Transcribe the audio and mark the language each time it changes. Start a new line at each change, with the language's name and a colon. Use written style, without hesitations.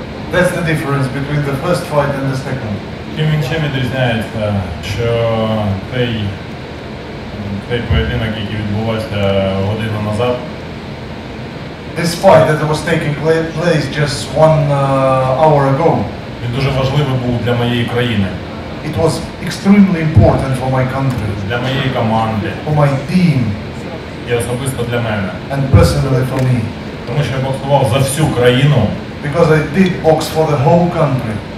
English: That's the difference between the first fight and the second.
Ukrainian: Чим відрізняється, що цей поєдинок, який відбувався годину назад?
English: This fight that was taking place just one hour ago.
Ukrainian: Він дуже важливий був для моєї країни.
English: It was extremely important for my country.
Ukrainian: Для моєї команди.
English: For my team.
Ukrainian: І особисто для мене.
English: And personally for me.
Ukrainian: Тому що я боксував за всю країну.
English: Because I did box for the whole country.